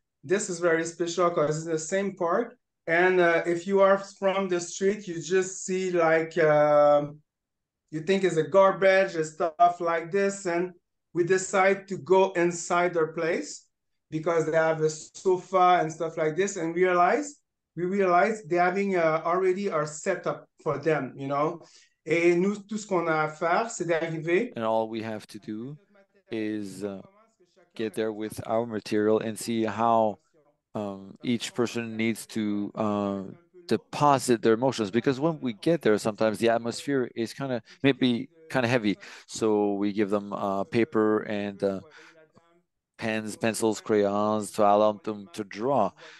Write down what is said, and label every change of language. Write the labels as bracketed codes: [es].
[en] This is very special because it's the same park. And if you are from the street, you just see like, you think it's a garbage and stuff like this. And we decide to go inside their place because they have a sofa and stuff like this. And we realize they're having already our setup for them, you know. [fr] Et nous, tout ce qu'on a à faire, c'est d'arriver. [en] And all we have to do is get there with our material and see how each person needs to deposit their emotions. Because when we get there, sometimes the atmosphere is kind of maybe kind of heavy. So we give them paper and pens, pencils, crayons to allow them to draw.